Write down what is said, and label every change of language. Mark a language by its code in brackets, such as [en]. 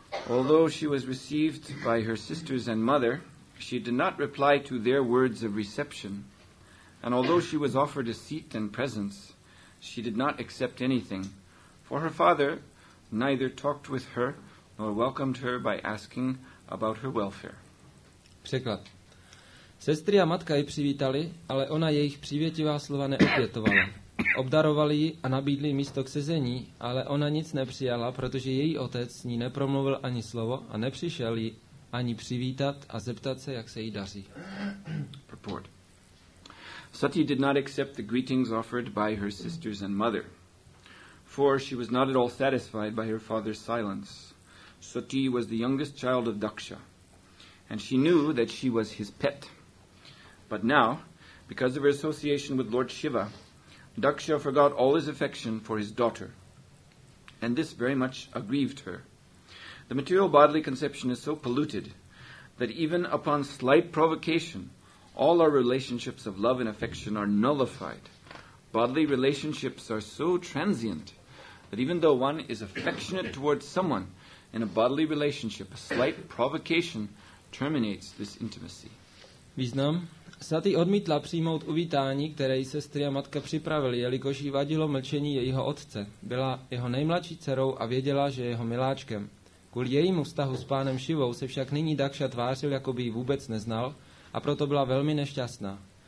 [en] Although she was received by her sisters and mother, she did not reply to their words of reception. And although she was offered a seat and presents, she did not accept anything. For her father neither talked with her nor welcomed her by asking about her welfare. [cs] Překlad. Sestry a matka ji přivítali, ale ona jejich přívětivá slova neopětovala. Obdarovali ji a nabídli místo k sezení, ale ona nic nepřijala, protože její otec ní nepromluvil ani slovo a nepřišel ji ani přivítat a zeptat se, jak se jí daří. [en] Purport. Sati did not accept the greetings offered by her sisters and mother, for she was not at all satisfied by her father's silence. Sati was the youngest child of Daksha, and she knew that she was his pet. But now, because of her association with Lord Shiva, Daksha forgot all his affection for his daughter, and this very much aggrieved her. The material bodily conception is so polluted that even upon slight provocation, all our relationships of love and affection are nullified. Bodily relationships are so transient that even though one is affectionate towards someone in a bodily relationship, a slight provocation terminates this intimacy. [cs] Význam. Sati odmítla přijmout uvítání, které jí sestry a matka připravili, jelikož jí vadilo mlčení jejího otce. Byla jeho nejmladší dcerou a věděla, že je jeho miláčkem. Kvůli jejímu vztahu s pánem Šivou se však nyní Daksha tvářil, jako by ji vůbec neznal, a proto byla velmi nešťastná.